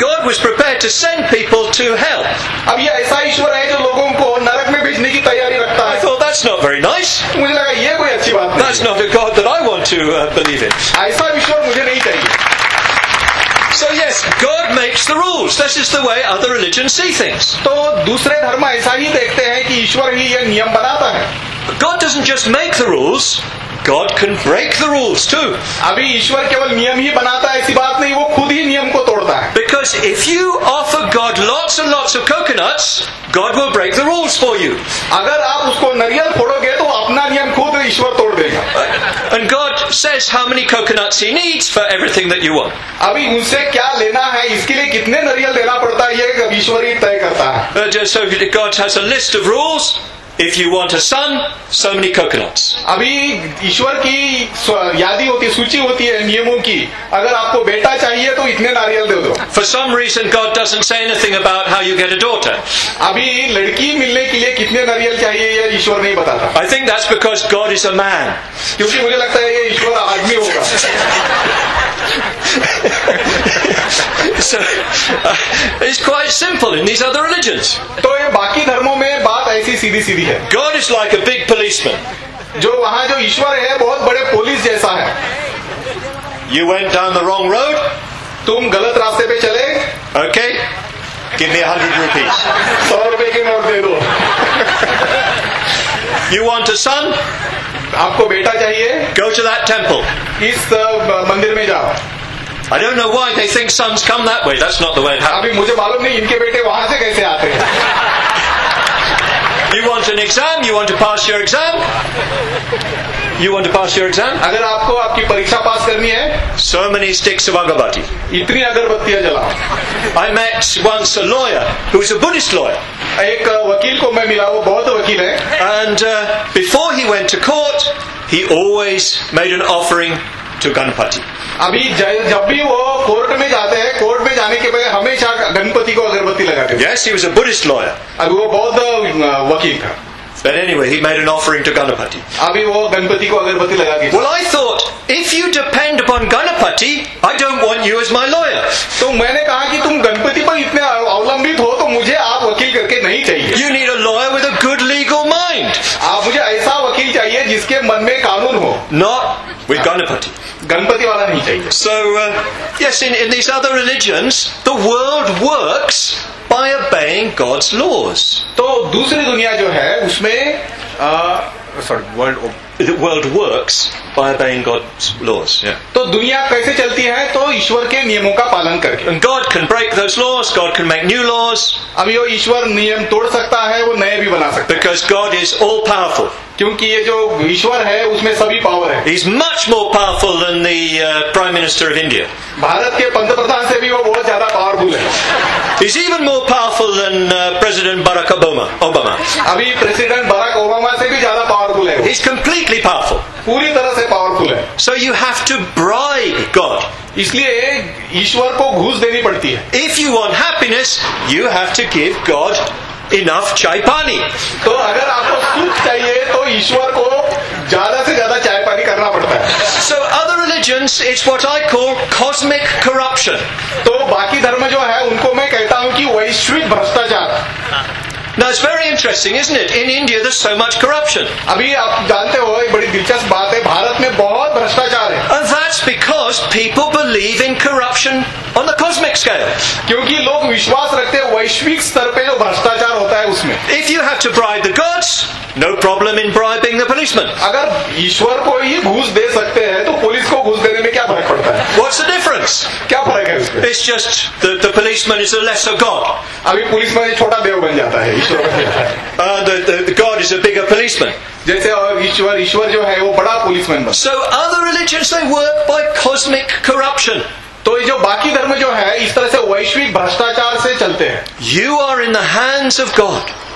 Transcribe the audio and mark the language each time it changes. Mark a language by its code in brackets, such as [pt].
[en] God was prepared to send people to hell. [hi] अब ये ऐसा ईश्वर है जो लोगों को नरक में भेजने की तैयारी रखता है. [en] I thought that's not very nice. [hi] मुझे लगा ये कोई अच्छी बात नहीं. [en] That's not a God that I want to believe in. [hi] ऐसा ईश्वर मुझे नहीं चाहिए. [en] So yes, yes, God makes the rules. This is the way other religions see things. [hi] तो दूसरे धर्म ऐसा ही देखते हैं कि ईश्वर ही ये नियम बनाता है. [en] God doesn't just make the rules. God can break the rules too. [hi] अभी ईश्वर केवल नियम ही बनाता है ऐसी बात नहीं, वो खुद ही नियम को तोड़ता है. [en] Because if you offer God lots and lots of coconuts, God will break the rules for you. [hi] अगर आप उसको नारियल फोड़ोगे तो अपना नियम खुद ईश्वर तोड़ देगा. [en] And God says how many coconuts he needs for everything that you want. [hi] अभी उनसे क्या लेना है, इसके लिए कितने नारियल देना पड़ता है, ये ईश्वर ही तय करता है. [en] So God has a list of rules. If you want a son, so many coconuts. [hi] अभी ईश्वर की यादी होती, सूची होती है नियमों की. अगर आपको बेटा चाहिए तो इतने नारियल दे दो. [en] For some reason, God doesn't say anything about how you get a daughter. [hi] अभी लड़की मिलने के लिए कितने नारियल चाहिए ये ईश्वर नहीं बताता. [en] I think that's because God is a man. [hi] क्योंकि मुझे लगता है ये ईश्वर आदमी होगा. [en] So it's quite simple in these other religions. [hi] तो ये बाकी धर्मों में बात ऐसी सीधी सीधी है. [en] God is like a big policeman. [hi] जो वहाँ जो ईश्वर है बहुत बड़े पुलिस जैसा है. [en] You went down the wrong road. [hi] तुम गलत रास्ते पे चले. [en] Okay. Give me 100 rupees. [hi] 100 rupees के नोट दे दो. [en] You want a son? [hi] आपको बेटा चाहिए? [en] Go to that temple. [hi] इस मंदिर में जाओ. [en] I don't know why they think sons come that way. That's not the way it happens. [hi] अभी मुझे मालूम नहीं इनके बेटे वहाँ से कैसे आते हैं. [en] You want an exam? You want to pass your exam? You want to pass your exam? [hi] अगर आपको आपकी परीक्षा पास करनी है. [en] So many sticks of agarbatti. [hi] इतनी अगरबत्तियाँ जलाओ. [en] I met once a lawyer who is a Buddhist lawyer. [hi] एक वकील को मैं मिला, वो बहुत वकील है. [en] And before he went to court, he always made an offering to Ganpati. [hi] अभी जब भी वो कोर्ट में जाते हैं, कोर्ट में जाने के बाद हमेशा गणपति को अगरबत्ती लगाते हैं. [en] Yes, he was a Buddhist lawyer. [hi] अभी वो बौद्ध वकील था. [en] But anyway, he made an offering to Ganapati. [hi] अभी वो गणपति को अगरबत्ती लगा के. [en] Well, I thought, if you depend upon Ganapati, I don't want you as my lawyer. [hi] तो मैंने कहा कि तुम गणपति पर इतने अवलंबित हो तो मुझे आप वकील करके नहीं चाहिए. [en] You need a lawyer with a good legal mind. [hi] आप मुझे ऐसा वकील चाहिए जिसके मन में कानून हो. [en] Not with Ganapati. [hi] गणपति वाला नहीं चाहिए. [en] So, yes, in these other religions, the world works by obeying God's laws. [hi] तो दूसरी दुनिया जो है उसमें [en] world works by obeying God's laws. Yeah. [hi] तो दुनिया कैसे चलती है, तो ईश्वर के नियमों का पालन करके. [en] And God can break those laws. God can make new laws. [hi] अभी वो ईश्वर नियम तोड़ सकता है, वो नए भी बना सकता है. [en] Because God is all powerful. [hi] क्योंकि ये जो ईश्वर है उसमें सभी पावर है. [en] He's much more powerful than the Prime Minister of India. [hi] Bharat के पंतप्रधान से भी वो बहुत ज्यादा पावरफुल है. [en] He's even more powerful than President Barack Obama. [hi] अभी प्रेसिडेंट बराक ओबामा से भी ज्यादा पावरफुल है. [en] He's completely powerful. [hi] पूरी तरह से पावरफुल है. [en] So you have to bribe God. [hi] इसलिए ईश्वर को घूस देनी पड़ती है. [en] If you want happiness, you have to give God enough [hi] chai pani. तो अगर आपको सुख चाहिए तो ईश्वर को ज्यादा से ज्यादा चाय पानी करना पड़ता है. [en] So other religions, it's what I call cosmic corruption. [hi] तो बाकी धर्म जो है उनको मैं कहता हूँ कि वैश्विक भ्रष्टाचार. [en] Now it's very interesting, isn't it? In India, there's so much corruption. [hi] अभी आप जानते हो एक बड़ी दिलचस्प बात है, भारत में बहुत भ्रष्टाचार है. [en] And that's because people believe in corruption on the cosmic scale. [hi] क्योंकि लोग विश्वास रखते हैं वैश्विक स्तर पे जो भ्रष्टाचार होता है उसमें. [en] If you have to bribe the gods, no problem in bribing the policeman. [hi] अगर ईश्वर को ही घूस दे सकते हैं तो पुलिस को घूस देने में क्या फर्क पड़ता है? [en] What's the difference? [hi] क्या फर्क है इसमें? [en] It's just the policeman is a lesser god. [hi] अभी पुलिसमैन एक छोटा देव बन जाता है. [en] the God is a bigger policeman. [hi] जैसे ईश्वर जो है वो बड़ा पुलिसमैन बन. [en] So other religions, they work by cosmic corruption. [hi] तो ये जो बाकी धर्म जो है इस तरह से वैश्विक भ्रष्टाचार से चलते हैं. [en] You are in the hands of God.